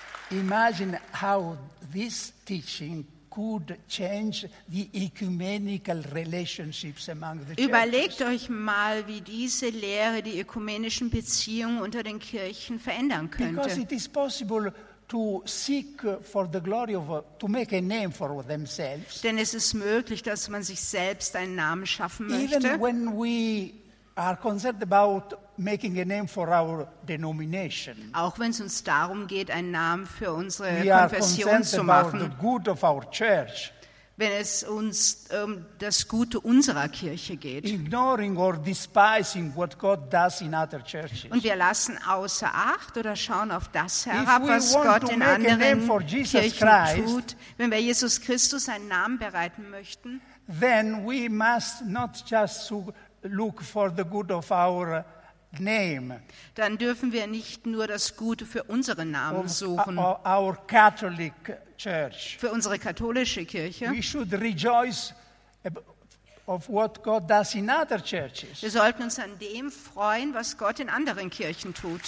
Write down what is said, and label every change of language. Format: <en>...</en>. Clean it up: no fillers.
<en>Imagine how this teaching could change the ecumenical relationships among the churches.</en> <de>Überlegt euch mal, wie diese Lehre die ökumenischen Beziehungen unter den Kirchen verändern könnte.</de> <en>Because it is possible to seek for the glory of to make a name for themselves.</en> <de>Denn es ist möglich, dass man sich selbst einen Namen schaffen möchte.</de> <en>Even when we are concerned about making a name for our denomination.</en> <de>Auch wenn es uns darum geht, einen Namen für unsere Konfession zu machen,</de> <en>about the good of our church,</en> <de>wenn es uns das Gute unserer Kirche geht,</de> <en>ignoring or despising what God does in other churches.</en> <de>Und wir lassen außer Acht oder schauen auf das herab, was Gott in anderen Kirchen tut, wenn wir Jesus Christus einen Namen bereiten möchten,</de> <en>then we must not just look for the good of our name.</en> <de>Dann dürfen wir nicht nur das Gute für unseren Namen suchen.</de> <en>Our Catholic Church.</en> <de>Für unsere katholische Kirche.</de> <en>We should rejoice of what God does in other churches.</en> <de>Wir sollten uns an dem freuen, was Gott in anderen Kirchen tut.</de>